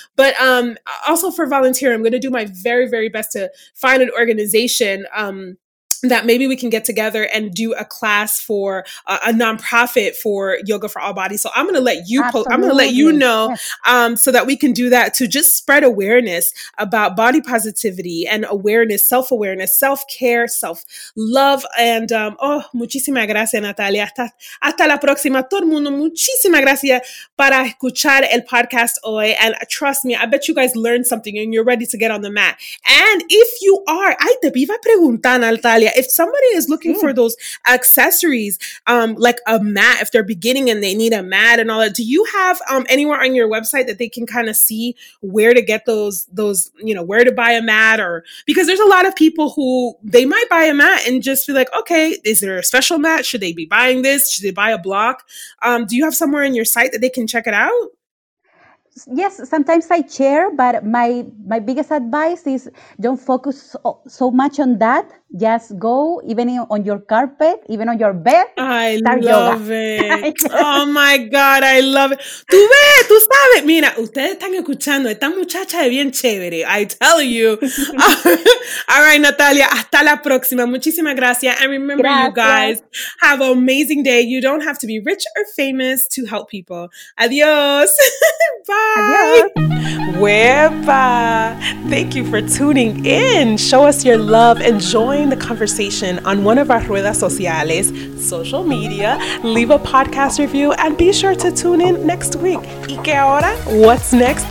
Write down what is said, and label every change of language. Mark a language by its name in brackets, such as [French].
[English] But also for volunteer, I'm going to do my very, very best to find an organization that maybe we can get together and do a class for a nonprofit for Yoga for All Bodies. So I'm going to let you I'm going to let you know so that we can do that, to just spread awareness about body positivity and self-awareness, self-care, self-love. [Spanish] And muchísimas gracias, Natalia. Hasta la próxima, todo el mundo. Muchísimas gracias para escuchar el podcast hoy. [English] And trust me, I bet you guys learned something and you're ready to get on the mat. And if you are, [Spanish] ay, te iba a preguntar, [English] Natalia, if somebody is looking for those accessories, like a mat, if they're beginning and they need a mat and all that, do you have anywhere on your website that they can kind of see where to get those, you know, where to buy a mat? Or because there's a lot of people who they might buy a mat and just be like, okay, is there a special mat? Should they be buying this? Should they buy a block? Do you have somewhere in your site that they can check it out? Yes, sometimes I share, but my biggest advice is don't focus so much on that. Just go, even on your carpet, even on your bed. I love yoga. It. Oh my God, I love it. [Spanish] Tú ves, tú sabes. Mira, ustedes están escuchando. Esta muchacha es bien chévere. [English] I tell you. All right, Natalia, [Spanish] hasta la próxima. Muchísimas gracias. [English] And remember, gracias. You guys, have an amazing day. You don't have to be rich or famous to help people. [Spanish] Adios. Bye. Wepa. [English] Thank you for tuning in. Show us your love and join the conversation on one of our [Spanish] ruedas sociales, [English] social media, leave a podcast review, and be sure to tune in next week. [Spanish] ¿Y qué ahora? [English] What's next?